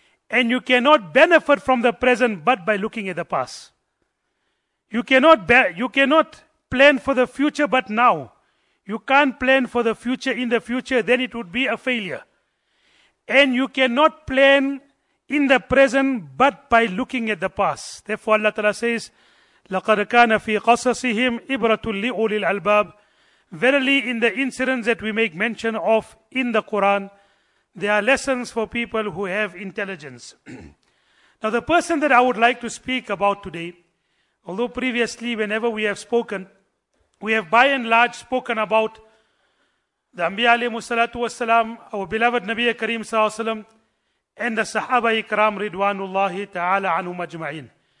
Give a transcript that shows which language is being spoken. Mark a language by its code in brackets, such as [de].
[en] And you cannot benefit from the present but by looking at the past. You cannot plan for the future but now. You can't plan for the future in the future, then it would be a failure. And you cannot plan in the present but by looking at the past. Therefore Allah Ta'ala says, [ar] لَقَدْ كَانَ فِي قَصَصِهِمْ إِبْرَةٌ لِأُولِي الْأَلْبَابِ. [en] Verily, in the incidents that we make mention of in the Quran, there are lessons for people who have intelligence. Now, the person that I would like to speak about today, although previously, whenever we have spoken, we have by and large spoken about the Anbiya alayhi salatu wasalam, our beloved Nabi Kareem sallallahu alayhi wasalam, and the Sahaba ikram ridwanullahi ta'ala anhum ajma'in.